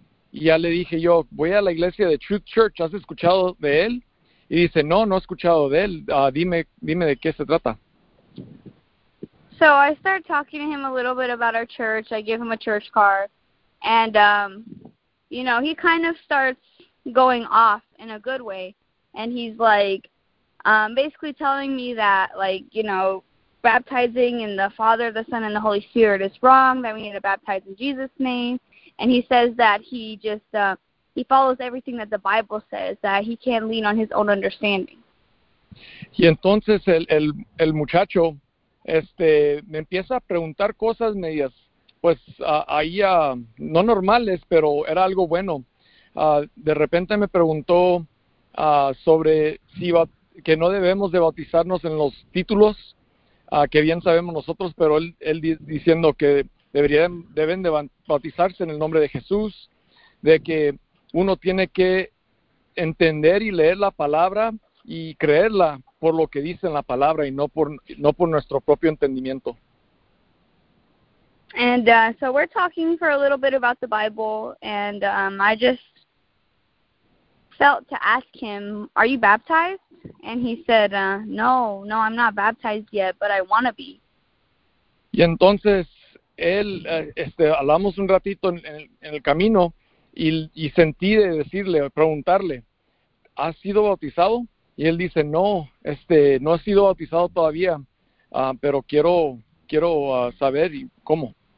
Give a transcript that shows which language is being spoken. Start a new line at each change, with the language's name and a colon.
Spanish: Y ya le dije yo, voy a la iglesia de Truth Church, ¿has escuchado de él? Y dice, no, no he escuchado de él, dime de qué se trata.
English: So I start talking to him a little bit about our church. I give him a church card. And, you know, he kind of starts going off in a good way. And he's, like, basically telling me that, like, you know, baptizing in the Father, the Son, and the Holy Spirit is wrong, that we need to baptize in Jesus' name. And he says that he just, he follows everything that the Bible says, that he can't lean on his own understanding.
Spanish: Y entonces el muchacho... me empieza a preguntar cosas medias, pues ahí no normales, pero era algo bueno. De repente me preguntó sobre si que no debemos de bautizarnos en los títulos, que bien sabemos nosotros, pero él diciendo que deben de bautizarse en el nombre de Jesús, de que uno tiene que entender y leer la palabra y creerla por lo que dice en la palabra y no por nuestro propio entendimiento.
English: And so we're talking for a little bit about the Bible, and I just felt to ask him, are you baptized? And he said, no, I'm not baptized yet, but I want to be.
Spanish: Y entonces él, hablamos un ratito en el camino y sentí de decirle, preguntarle, ¿has sido bautizado? Y él dice, no, no he sido bautizado todavía, pero quiero saber cómo.